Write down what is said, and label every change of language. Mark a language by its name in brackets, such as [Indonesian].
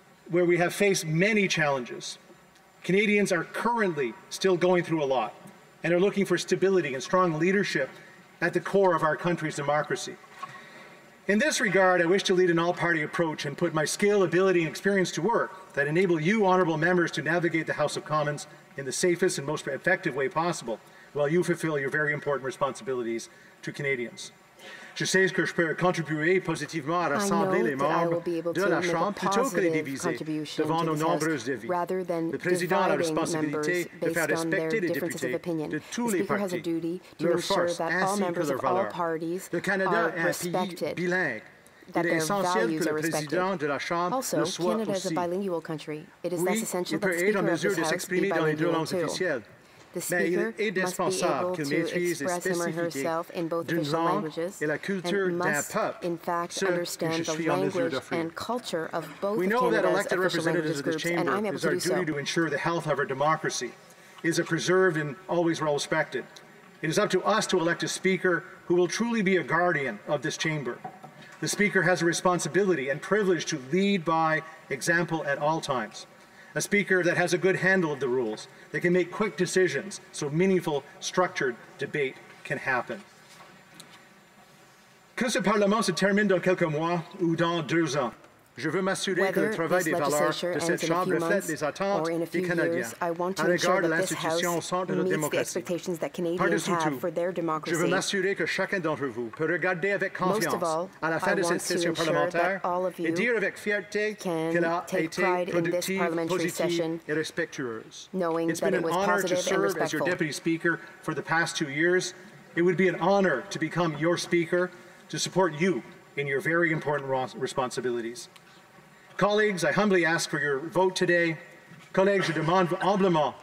[English] Where we have faced many challenges. Canadians are currently still going through a lot and are looking for stability and strong leadership at the core of our country's democracy. In this regard, I wish to lead an all-party approach and put my skill, ability, and experience to work that enable you, honourable members, to navigate the House of Commons in the safest and most effective way possible while you fulfil your very important responsibilities to Canadians. [French] Je sais que je peux contribuer positivement à rassembler les membres de la Chambre plutôt que les diviser devant nos nombreuses dévies. Le président a la responsabilité de faire respecter les députés de tous les partis, leurs forces ainsi que leurs valeurs. Le Canada est un pays bilingue. Il est essentiel que le président de la Chambre le soit aussi. Oui, il peut être en mesure de s'exprimer dans les deux langues officielles. Mais il est indispensable qu'il maîtrise les spécificités d'une langue et la culture d'un peuple, ce que je suis en mesure d'offrir. [English] We know that elected representatives of this chamber is our duty to ensure the health of our democracy is a preserved and always respected. It is up to us to elect a speaker who will truly be a guardian of this chamber. The speaker has a responsibility and privilege to lead by example at all times. A speaker that has a good handle of the rules, that can make quick decisions so meaningful, structured debate can happen. [French] Que ce Parlement se termine dans quelques mois ou dans deux ans, je veux m'assurer que le travail des valeurs de cette Chambre reflète les attentes des Canadiens à l'égard de l'institution au centre de notre démocratie. Par-dessus tout, je veux m'assurer que chacun d'entre vous peut regarder avec confiance à la fin de cette session parlementaire et dire avec fierté qu'elle a été productive, positive et respectueuse. [English] It's been an honor to serve as your deputy speaker for the past 2 years. It would be an honor to become your speaker, to support you in your very important responsibilities. Colleagues, I humbly ask for your vote today. [French] Colleagues, je demande humblement